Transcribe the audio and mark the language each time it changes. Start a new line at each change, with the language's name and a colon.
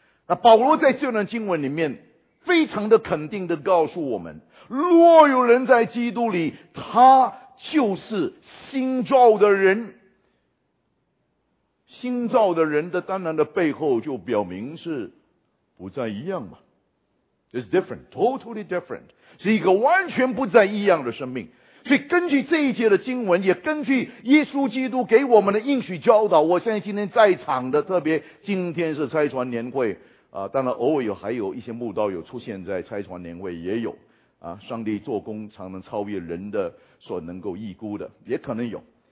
Chinese: 那保罗在这段经文里面非常的肯定的告诉我们，若有人在基督里，他就是新造的人。新造的人的当然的背后就表明是不再一样嘛。
English: It's different, totally different.
Chinese: 是一个完全不再一样的生命。所以根据这一节的经文，也根据耶稣基督给我们的应许教导，我相信今天在场的，特别今天是拆船年会啊，当然偶尔有还有一些慕道有出现在拆船年会也有啊，上帝做工常能超越人的所能够预估的，也可能有。